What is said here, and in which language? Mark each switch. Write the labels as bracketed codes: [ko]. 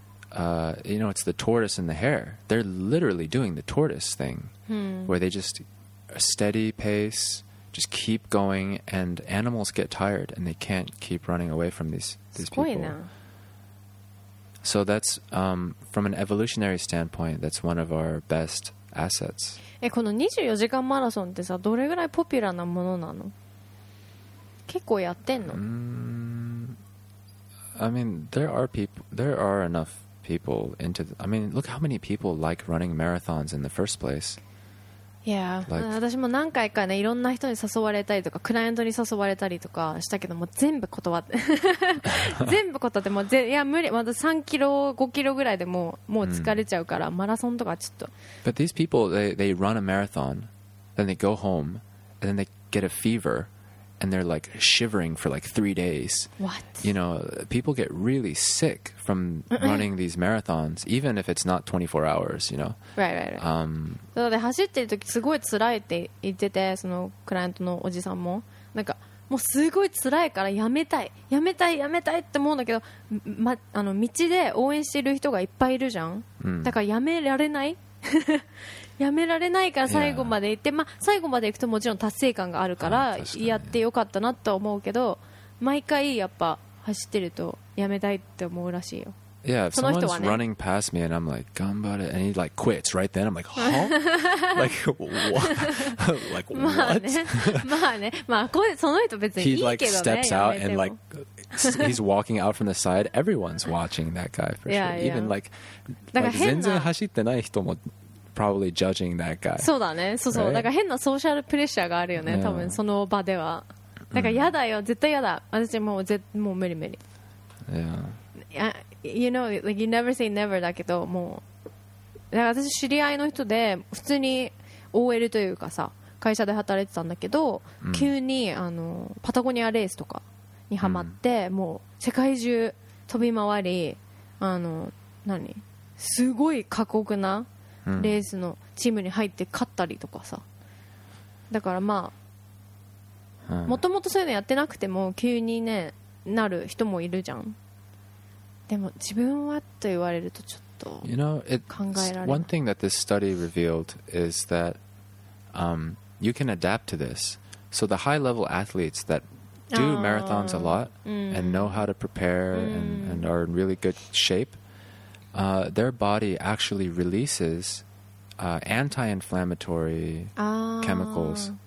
[en] You know, it's the tortoise and the hare. They're literally doing the tortoise thing, where they just a steady pace. Just keep going, and animals get tired, and they can't keep running away from these people. So that's, from an evolutionary standpoint, that's one of our best assets. [ja] この24時間マラソンってさ、どれぐらいポピュラーなものなの？結構やってんの？ [en] I mean, there are enough people into... look how many people like running marathons in the first place. Yeah. Like, [ja] 私も何回かね、いろんな人に誘われたりとか、クライアントに誘われたりとかしたけど、もう全部断って、全部断って、もう、いや、無理、まだ3キロ、5キロぐらいでもう疲れちゃうから、マラソンとかちょっと。 [en] But these people, they run a marathon, then they go home, and then they get a fever, and they're like shivering for like 3 days. What? You know, people get really sick from running these marathons, even if it's not 24 hours, you know? Right, right, right. [ja] なので走ってる時すごい辛いって言ってて、そのクライアントのおじさんも。なんか、もうすごい辛いからやめたい。やめたい、やめたいって思うんだけど、ま、あの道で応援してる人がいっぱいいるじゃん。だからやめられない。やめられないから最後まで行って、yeah. まあ、最後まで行くともちろん達成感があるからやってよかったなと思うけど、毎回やっぱ走ってるとやめたいって思うらしいよ。 [en] Yeah, if someone's running past me and I'm like, [ja] 頑張れ [en] and he like quits right then, I'm like, huh? like, what? like, what? [ja] まあね、まあね、まあ、その人別にいいけどね。 [en] He like steps out and like, he's walking out from the side. Everyone's watching that guy for yeah, sure. Yeah. Even like [ja] 全然走ってない人も [en] probably judging that guy. [ja] そうだね、そうそう、 [en] right? [ja] なんか変なソーシャルプレッシャーがあるよね、yeah. 多分その場では。だから嫌だよ、絶対嫌だ。私もう絶、もう無理無理。 [en] Yeah. You know, like you never say never [ja] だけど、もうだから私知り合いの人で普通に OL というかさ、会社で働いてたんだけど、急にあのパタゴニアレースとかにハマって、もう世界中飛び回り、あの何すごい過酷なレースのチームに入って勝ったりとかさ、だからまあもともとそういうのやってなくても急にねなる人もいるじゃん。でも自分はと言われるとちょっと考えられ。 [en] You know, it's one thing that this study revealed is that you can adapt to this. So the high level athletes that do marathons a lot and know how to prepare and are in really good shape, their body actually releases anti-inflammatory chemicals.